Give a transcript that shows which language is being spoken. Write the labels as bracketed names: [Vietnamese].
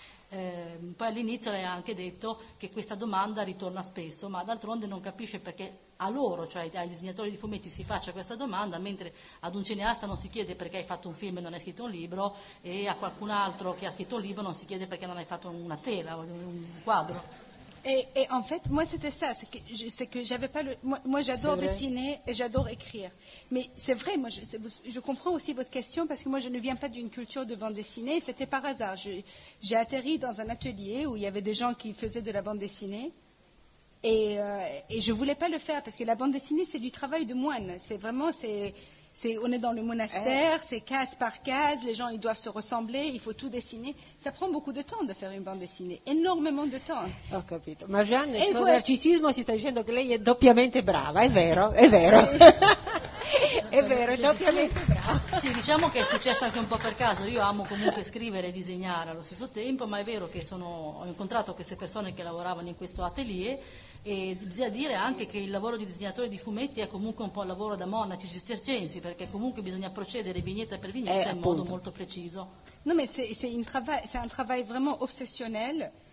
[Italian] Poi all'inizio lei ha anche detto che questa domanda ritorna spesso, ma d'altronde non capisce perché a loro, cioè ai disegnatori di fumetti, si faccia questa domanda, mentre ad un cineasta non si chiede perché hai fatto un film e non hai scritto un libro, e a qualcun altro che ha scritto un libro non si chiede perché non hai fatto una tela o un quadro. [French] E en fait, moi c'était ça, c'est que j'avais pas le. Moi j'adore dessiner et j'adore écrire. Mais c'est vrai, moi je comprends aussi votre question, parce que moi je ne viens pas d'une culture de bande dessinée, c'était par hasard. J'ai atterri dans un atelier où il y avait des gens qui faisaient de la bande dessinée, et je voulais pas le faire, parce que la bande dessinée c'est du travail de moine. C'est vraiment, on est dans le monastère, c'est case par case, les gens ils doivent se ressembler, il faut tout dessiner. Ça prend beaucoup de temps de faire une bande dessinée, énormément de temps. [Italian] Ho capito. Ma Jeanne, il suo narcisismo si sta dicendo che lei è doppiamente brava, è vero, è vero. È vero, è doppiamente brava. Sì, diciamo che è successo anche un po' per caso, io amo comunque scrivere e disegnare allo stesso tempo, ma è vero che ho incontrato queste persone che lavoravano in questo atelier. E bisogna dire anche che il lavoro di disegnatore di fumetti è comunque un po' il lavoro da monaci cistercensi, perché comunque bisogna procedere vignetta per vignetta in modo molto preciso. No, ma c'è un [French] travail vraiment obsessionnel.